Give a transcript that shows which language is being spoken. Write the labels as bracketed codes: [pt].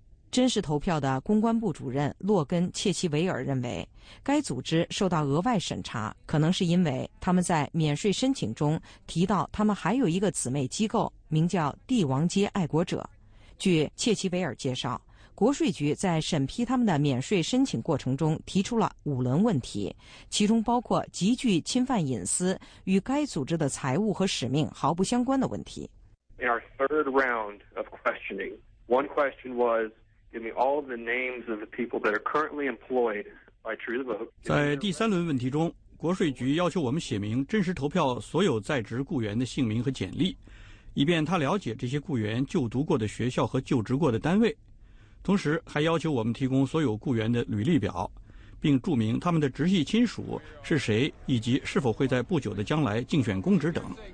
[zh] 真实投票的公关部主任洛根·切奇维尔认为，该组织受到额外审查，可能是因为他们在免税申请中提到他们还有一个姊妹机构，名叫帝王街爱国者。据切奇维尔介绍，国税局在审批他们的免税申请过程中提出了5轮问题，其中包括极具侵犯隐私、与该组织的财务和使命毫不相关的问题。 [en] In our third round of questioning, one question was,Give me all the names of the people that are currently employed by True the Vote. [zh] 在第三轮问题中，国税局要求我们写明真实投票所有在职雇员的姓名和简历，以便他了解这些雇员就读过的学校和就职过的单位。同时，还要求我们提供所有雇员的履历表，并注明他们的直系亲属是谁，以及是否会在不久的将来竞选公职等。